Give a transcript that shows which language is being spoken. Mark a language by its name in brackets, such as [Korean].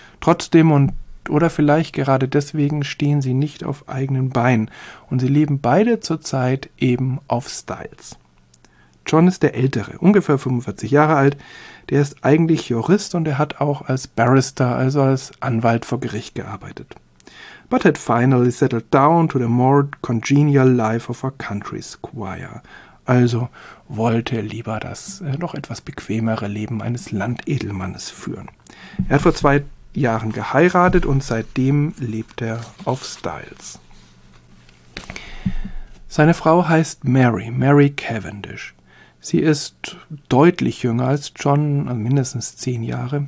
[German] Trotzdem und oder vielleicht gerade deswegen stehen sie nicht auf eigenen Beinen und sie leben beide zurzeit eben auf Styles. John ist der Ältere, ungefähr 45 Jahre alt, der ist eigentlich Jurist und er hat auch als Barrister, also als Anwalt vor Gericht gearbeitet. [English] But had finally settled down to the more congenial life of a country squire. [German] Also wollte lieber das noch etwas bequemere Leben eines Landedelmannes führen. Er hat vor 2 Jahren geheiratet und seitdem lebt er auf Styles. Seine Frau heißt Mary Cavendish. Sie ist deutlich jünger als John, mindestens 10 Jahre.